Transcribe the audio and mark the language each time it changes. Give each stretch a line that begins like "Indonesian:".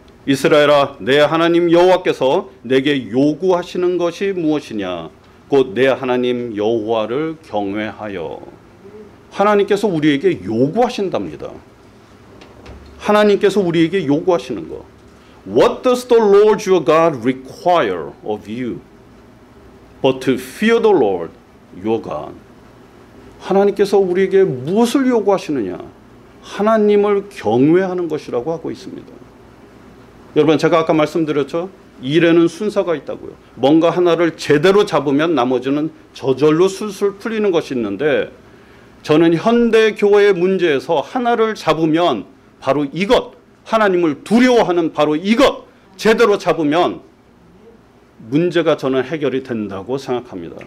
Korean: 이스라엘아, 내 하나님 여호와께서 내게 요구하시는 것이 무엇이냐? 곧 내 하나님 여호와를 경외하여. 하나님께서 우리에게 요구하신답니다. 하나님께서 우리에게 요구하시는 것.
English: What does the Lord your God require of you? But to fear the Lord your God.
Korean: 하나님께서 우리에게 무엇을 요구하시느냐? 하나님을 경외하는 것이라고 하고 있습니다. 여러분, 제가 아까 말씀드렸죠? 일에는 순서가 있다고요. 뭔가 하나를 제대로 잡으면 나머지는 저절로 술술 풀리는 것이 있는데 저는 현대교회의 문제에서 하나를 잡으면 바로 이것, 하나님을 두려워하는 바로 이것 제대로 잡으면 문제가 저는 해결이 된다고 생각합니다.